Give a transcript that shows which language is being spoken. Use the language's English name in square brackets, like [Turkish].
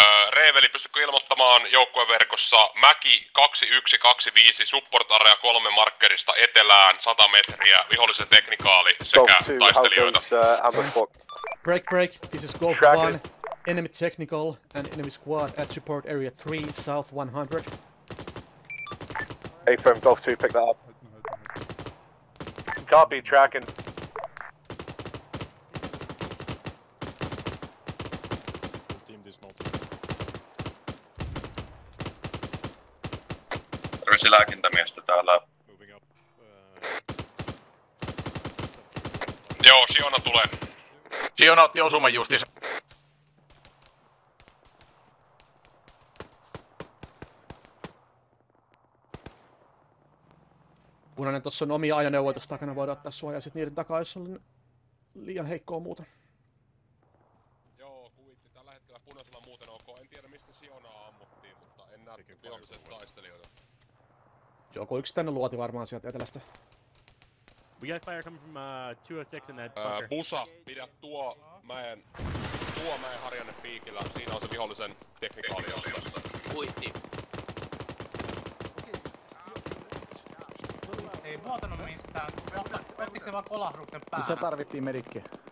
[Finnish] Reeveli, pystytkö ilmoittamaan joukkueen verkossa Mäki 2125 support area 3 markkerista etelään 100 metriä vihollisen teknikaali sekä [English] two, [Finnish] taistelijoita. [English] Break, this is Golf 1, enemy technical and enemy squad at support area 3 south 100. AFM Golf 2, pick that up. Copy, tracking. [Finnish] Yksi lääkintämiestä täällä. Joo, Siona tulee. Siona otti osuman justiinsa. Punainen, tossa on omia ajoneuvoja tossa takana, voidaan ottaa suojaa sit niiden takaa, jos on liian heikkoa muuta. Joo, kuitti. Tällä hetkellä punaisella muuten ok. En tiedä mistä Sionaa ammuttiin, mutta en näe vihollisen taistelijoita. Joku yksittäinen luoti varmaan sieltä etelästä. [English] We got fire coming from 206 in that bunker. [Finnish] Busa, pidä tuo mäen harjanne piikillä. Siinä on se vihollisen teknikaali jossa. Kuitti. Ei vuotanut mistään. Vettikö se vaan kolahduksen päähän? Missä tarvittiin medikkiä?